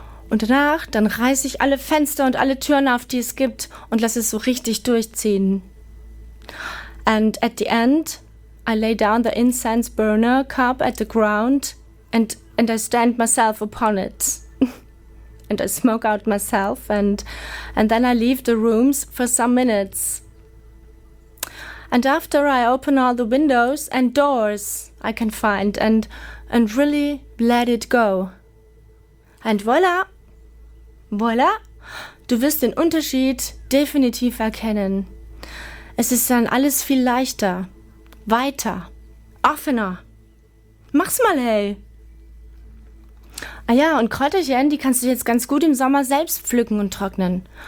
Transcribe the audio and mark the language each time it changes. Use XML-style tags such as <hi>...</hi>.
<de>Und danach, dann reiße ich alle Fenster und alle Türen auf, die es gibt und lasse es so richtig durchziehen.</de> <en>And at the end, I lay down the incense burner cup at the ground and I stand myself upon it. And I smoke out myself and then I leave the rooms for some minutes. And after I open all the windows and doors I can find and really let it go.</en> <de>And voila, voila, du wirst den Unterschied definitiv erkennen. Es ist dann alles viel leichter, weiter, offener. Mach's mal, hey. Ah ja, und Kräuterchen, die kannst du jetzt ganz gut im Sommer selbst pflücken und trocknen.</de>